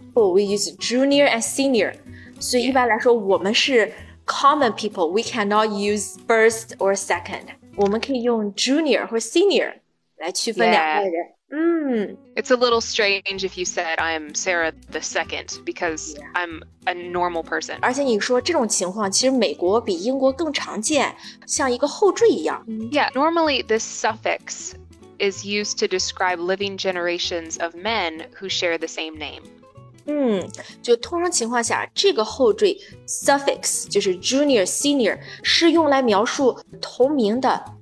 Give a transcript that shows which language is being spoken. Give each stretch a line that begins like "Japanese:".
English: people, we use junior and senior.
Chinese: 所以一般来说、
English: yeah.
Chinese: 我们是
English: common people, we cannot use first or second.
Chinese: 我们可以用 junior 或 senior 来区分两个人。
English: Yeah. Mm. It's a little strange if you said I'm Sarah the second because、yeah. I'm a normal person.
Chinese: 而且你说这种情况其实美国比英国更常见，像一个后缀一样。
English: Yeah, normally this suffix is used to describe living generations of men who share the same name.
Chinese: 嗯，就通常情况下，这个后缀 suffix 就是 junior, senior 是用来描述同名的。